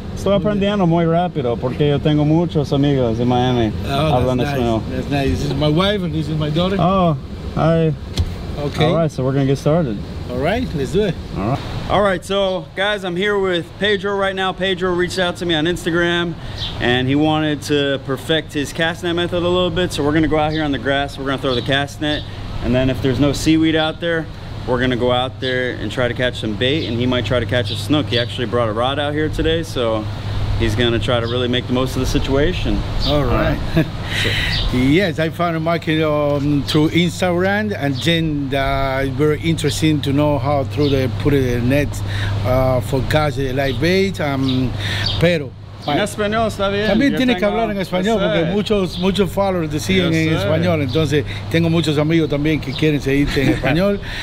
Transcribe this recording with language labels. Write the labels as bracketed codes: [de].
[es] Estoy aprendiendo muy rápido porque yo tengo muchos amigos en Miami. [en] Oh, that's nice. That's nice. This is my wife and this is my daughter. Oh, hi. Okay. All right, so we're gonna get started. All right, let's do it. All right. All right, so guys, I'm here with Pedro right now. Pedro reached out to me on Instagram and he wanted to perfect his cast net method a little bit. So we're gonna go out here on the grass, we're gonna throw the cast net. And then if there's no seaweed out there, we're gonna go out there and try to catch some bait, and he might try to catch a snook. He actually brought a rod out here today, so he's gonna try to really make the most of the situation. All right. Yes, I found a market through Instagram, and then very interesting to know how through the put it in the net for guys that like bait. [es] Pero. En español está bien. También tiene que hablar en español porque muchos followers te siguen en español. Entonces tengo muchos amigos también que quieren seguirte en español.